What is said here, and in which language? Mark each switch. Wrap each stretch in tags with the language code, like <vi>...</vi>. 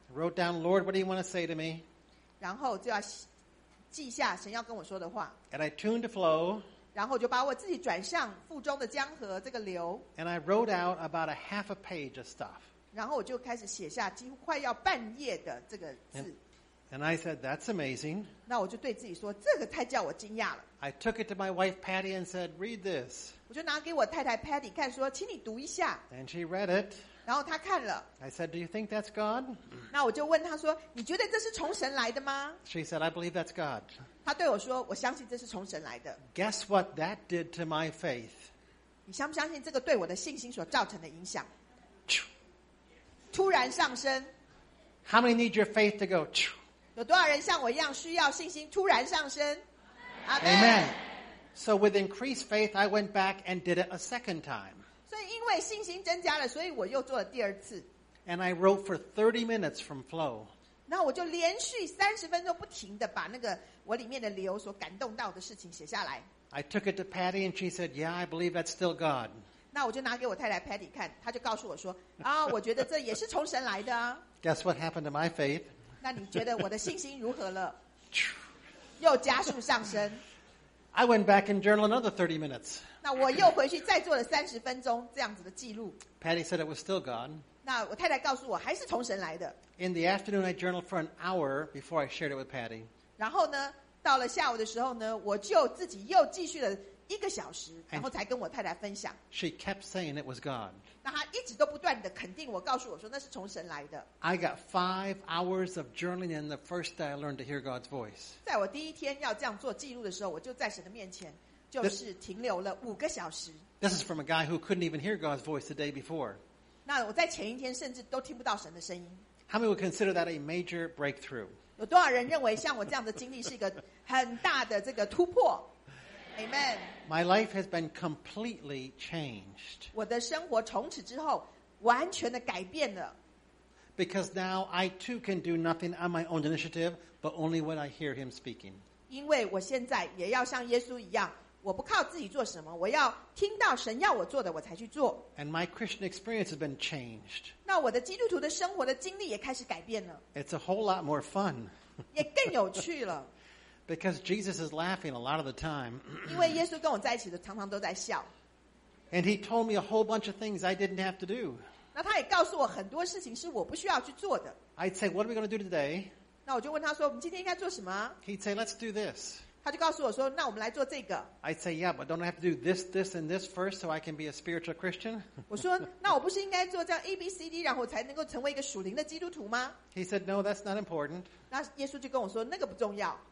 <en>Wrote down Lord what do you want to say to me</en> <zh>然后就要记下神要跟我说的话</zh> <en>And I tuned the flow</en> <zh>然后就把我自己转向腹中的江河这个流</zh> <en>And I wrote out about a half a page of stuff</en> <zh>然后我就开始写下几乎快要半页的这个字</zh> <en>And I said, that's amazing.</en> <zh>那我就对自己说，这个太叫我惊讶了。</zh> <en>I took it to my wife Patty and said, read this.</en> <zh>我就拿给我太太 Patty 看，说，请你读一下。</zh> <en>And she read it.</en> <zh>然后她看了。</zh> <en>I said, do you think that's God?</en> <zh>那我就问她说，你觉得这是从神来的吗？</zh> <en>She said, I believe that's God.</en> <zh>她对我说，我相信这是从神来的。</zh> <en>Guess what that did to my faith?</en> <zh>你相不相信这个对我的信心所造成的影响？突然上升。</zh> <en>How many need your faith to go?</en> <zh>有多少人像我一样需要信心突然上升</zh> <en>Amen. Amen. So with increased faith, I went back and did it a second time.</en> <zh>所以因为信心增加了，所以我又做了第二次。</zh> <en>And I wrote for 30 minutes from flow.</en> <zh>那我就连续30分钟不停地把那个我里面的流所感动到的事情写下来。</zh> <en>I took it to Patty and she said, yeah, I believe that's still God.</en> <zh>那我就拿给我太太 Patty 看，她就告诉我说，啊，我觉得这也是从神来的啊。</zh> <en>Guess what happened to my faith?</en> <zh>那你觉得我的信心如何了？又加速上升。</zh> <en>I went back and journaled another 30 minutes.</en> <zh>那我又回去再做了30分钟这样子的记录。</zh> <en>Patty said it was still God.</en> <zh>那我太太告诉我还是从神来的。</zh> <en>In the afternoon, I journaled for an hour before I shared it with Patty.</en> <zh>然后呢，到了下午的时候呢，我就自己又继续了一个小时，然后才跟我太太分享。</zh> <en>She kept saying it was God.</en> <zh>那他一直都不断地肯定我，告诉我说那是从神来的。</zh> <en>I got 5 hours of journaling in the first day I learned to hear God's voice.</en> <zh>在我第一天要这样做记录的时候，我就在神的面前，就是停留了五个小时。</zh> <en>This is from a guy who couldn't even hear God's voice the day before.</en> <zh>那我在前一天甚至都听不到神的声音。</zh> <en>How many would consider that a major breakthrough?</en> <zh>有多少人认为像我这样的经历是一个很大的这个突破？</zh> <en>Amen. My life has been completely changed.</en> <zh>我的生活从此之后完全的改变了。</zh> <en>Because now I too can do nothing on my own initiative, but only when I hear him speaking.</en> <zh>因为我现在也要像耶稣一样，我不靠自己做什么，我要听到神要我做的，我才去做。</zh> <en>And my Christian experience has been changed.</en> <zh>那我的基督徒的生活的经历也开始改变了。</zh> <en>It's a whole lot more fun.</en> <zh>也更有趣了。</zh> <en>Because Jesus is laughing a lot of the time.</en> <zh>因为耶稣跟我在一起的常常都在笑。</zh> <en>And he told me a whole bunch of things I didn't have to do.</en> <zh>那他也告诉我很多事情是我不需要去做的。</zh> <en>I'd say, what are we going to do today?</en> <zh>那我就问他说，我们今天应该做什么？</zh> <en>He'd say, let's do this.</en> <zh>他就告诉我说，那我们来做这个。</zh> <en>I'd say, yeah, but don't I have to do this, this, and this first so I can be a spiritual Christian?</en> <zh>我说，那我不是应该做这样 ABCD, 然后才能够成为一个属灵的基督徒吗？</zh> <en>He said, no, that's not important.</en> <zh>那耶稣就跟我说，那个不重要。</zh>